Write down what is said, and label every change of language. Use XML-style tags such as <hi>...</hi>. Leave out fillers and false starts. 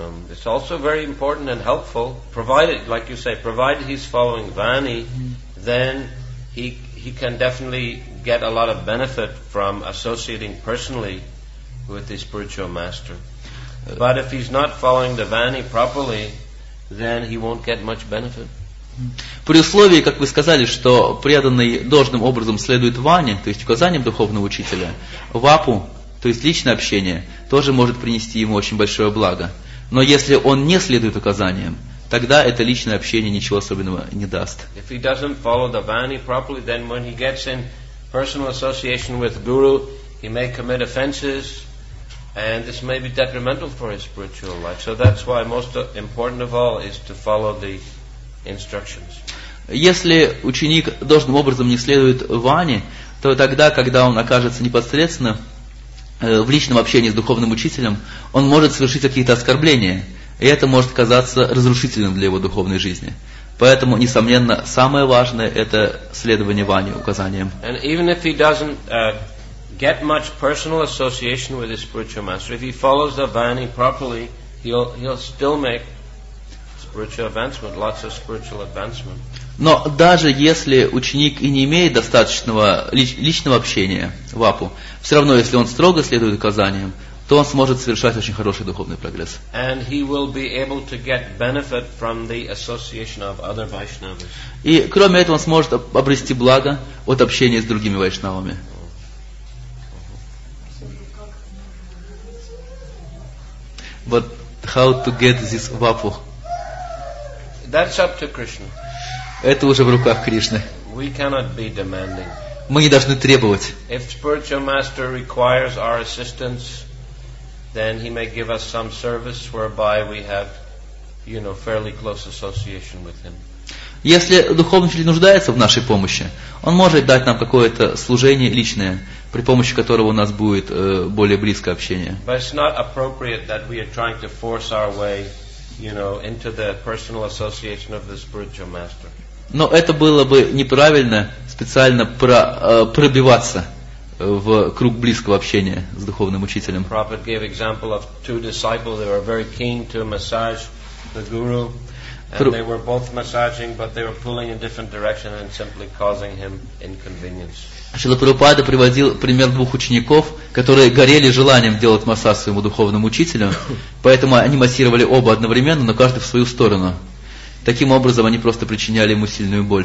<en>It's also very important and helpful, provided, like you say, provided he's following Vani, then he can definitely get a lot of benefit from associating personally with the spiritual master. But if he's not following the Vani properly, then he won't get much benefit.</en> <ru>При условии, как вы сказали, что преданный должным образом следует Вани, то есть указаниям духовного учителя, Вапу, то есть личное общение тоже может принести ему очень большое благо. Но если он не следует указаниям, тогда это личное общение ничего особенного не даст.</ru> <en>If he doesn't follow the vani properly, then when he gets in personal association with guru, he may commit offenses, and this may be detrimental for his spiritual life. So that's why most important of all is to follow the instructions.</en> <ru>Если ученик должным образом не следует вани, то тогда, когда он окажется непосредственно в личном общении с духовным учителем, он может совершить какие-то оскорбления, и это может казаться разрушительным для его духовной жизни. Поэтому, несомненно, самое важное – это следование вани указаниям.</ru> <en>And even if he doesn't get much personal association with his spiritual master, if he follows the vani properly, he'll still make spiritual advancement, lots of spiritual advancement.</en> <ru>Но даже если ученик и не имеет достаточного личного общения в апу, все равно, если он строго следует указаниям, то он сможет совершать очень хороший духовный прогресс. И кроме этого, он сможет обрести благо от общения с другими вайшнавами.</ru> <en>But how to get this vapu? That's up to Krishna.</en> <ru>Это уже в руках Кришны.</ru> <en>We cannot be demanding.</en> <ru>Мы не должны требовать.</ru> <en>If spiritual master requires our assistance, then he may give us some service whereby we have, you know, fairly close association with him.</en> <ru>Если духовный учитель нуждается в нашей помощи, он может дать нам какое-то служение личное, при помощи которого у нас будет более близкое общение.</ru> <en>But it's not appropriate that we are trying to force our way, you know, into the personal association of the spiritual master.</en> <ru>Но это было бы неправильно специально пробиваться в круг близкого общения с духовным учителем.</ru> <en>Prabhupada gave example of two disciples. They were very keen to massage the guru, and they were both massaging, but they were pulling in different directions and simply causing him inconvenience.</en> <ru>Шрила Прабхупада приводил пример двух учеников, которые горели желанием делать массаж своему духовному учителю, поэтому они массировали оба одновременно, но каждый в свою сторону. Таким образом, они просто причиняли ему сильную</ru>